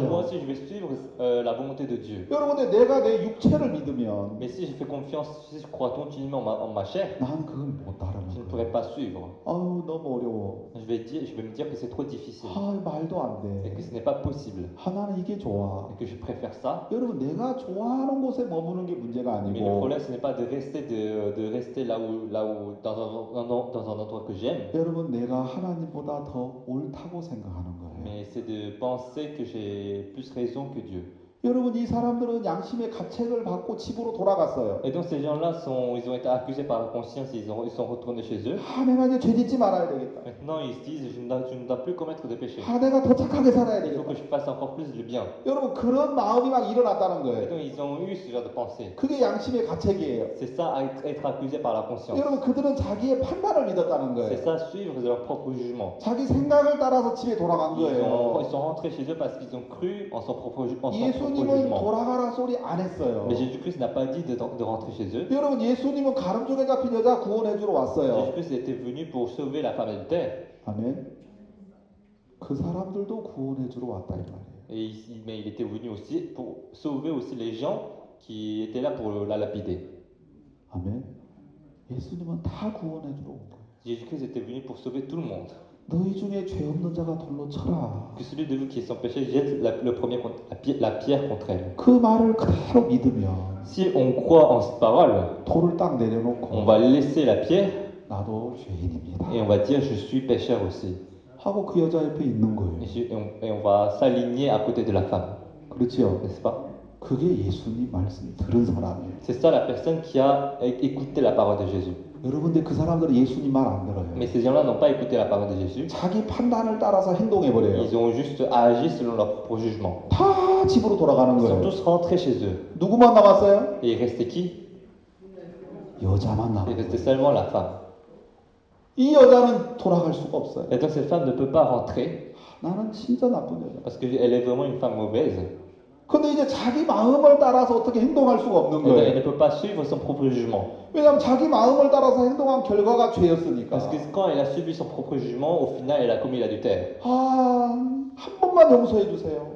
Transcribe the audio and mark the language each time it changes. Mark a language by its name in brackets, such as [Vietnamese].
[French] Donc, moi aussi, je vais suivre la volonté de Dieu. [Korean] 여러분, 근데 내가 내 육체를 믿으면 [French] Mais si je fais confiance, si je crois continuellement en ma chair, [Korean] 나는 그걸 못 따르는 거예요. [French] Je ne pourrais pas suivre. [Korean] 아우, 너무 어려워. [French] Je vais me dire que c'est trop difficile. [Korean] 아, 말도 안 돼. [French] Et que ce n'est pas possible. [Korean] 아, 나는 이게 좋아. [French] Et que je préfère ça. [Korean] 여러분, 내가 좋아하는 곳에 머무는 게 문제가 아니고. [French] Mais le problème, ce n'est pas de rester là où dans un endroit que j'aime. [Korean] 여러분, 내가 하나님보다 더 옳다고 생각하는 거예요. [French] Mais c'est de penser que j'ai plus raison que Dieu. [Korean] 여러분 이 사람들은 양심의 가책을 받고 집으로 돌아갔어요. [French] Et donc ces gens-là ils ont été accusés par la conscience, ils sont retournés chez eux. [Korean] 아, 내가 이제 죄짓지 말아야 되겠다. [French] Maintenant ils disent, je ne dois plus commettre de péché. [Korean] 아, 내가 더 착하게 살아야 되겠다. [French] Il faut que je fasse encore plus de bien. [Korean] 여러분 그런 마음이 막 일어났다는 거예요. [French] Et donc ils ont eu ce genre de pensée. [Korean] 그게 양심의 가책이에요. [French] C'est ça être accusé par la conscience. [Korean] 여러분 그들은 자기의 판단을 믿었다는 거예요. [French] C'est ça suivre leur propre jugement. [Korean] 자기 생각을 따라서 집에 돌아간 거예요. [French] Ils sont rentrés chez eux parce qu'ils ont cru en son propre jugement. [Korean] 예수님은 돌아가라 소리 안 했어요. [French] Mais Jésus-Christ n'a pas dit de rentrer chez eux. [Korean] 여러분 예수님은 가르종에 잡힌 여자 구원해 주러 왔어요. [French] Jésus-Christ était venu pour sauver la femme adultère. [Korean] 아멘. 그 사람들도 구원해 주러 왔다 이 말이에요. [French] Mais il était venu aussi pour sauver aussi les gens qui étaient là pour la lapider. [Korean] 아멘. 예수님은 다 구원해 주러 온 거예요. [French] Jésus-Christ était venu pour sauver tout le monde. [Korean] 너희 중에 죄 없는 자가 돌로 쳐라. [French] Que celui de vous qui est sans péché jette le premier la pierre contre elle. [Korean] 그 말을 그대로 믿으면. [French] Si on croit en cette parole, [Korean] 돌을 딱 내려놓고. [French] On va laisser la pierre. [Korean] 나도 죄인입니다. [French] Et on va dire je suis pécheur aussi. [Korean] 하고 그 여자 옆에 있는 거예요. [French] Et on va s'aligner à côté de la femme. [Korean] 그렇지요, [French] n'est-ce pas? [Korean] 그게 예수님 말씀 들은 사람이에요. [French] C'est ça la personne qui a écouté la parole de Jésus. [Korean] 여러분들 그 사람들은 예수님 말 안 들어요. [French] Mais ces gens-là n'ont pas écouté la parole de Jésus. [Korean] 자기 판단을 따라서 행동해 버려요. [French] Ils ont juste agi selon leur propre jugement. [Korean] 다 집으로 돌아가는 거예요. [French] Ils sont tous rentrés chez eux. [Korean] 누구만 남았어요? [French] Et il restait qui? [Korean] 여자만 남았어요. [French] Il restait seulement la femme. [Korean] 이 여자는 돌아갈 수가 없어요. [French] Et donc cette femme ne peut pas rentrer. [Korean] 나는 진짜 나쁜 여자. [French] Parce qu'elle est vraiment une femme mauvaise. [Korean] 근데 이제 자기 마음을 따라서 어떻게 행동할 수가 없는 거예요. [French] Elle ne peut pas suivre son propre jugement. [Korean] 왜냐면 자기 마음을 따라서 행동한 결과가 죄였으니까. [French] Parce que quand elle a subi son propre jugement, au final, elle a commis l'adultère. [Korean] 아, 한 번만 용서해 주세요.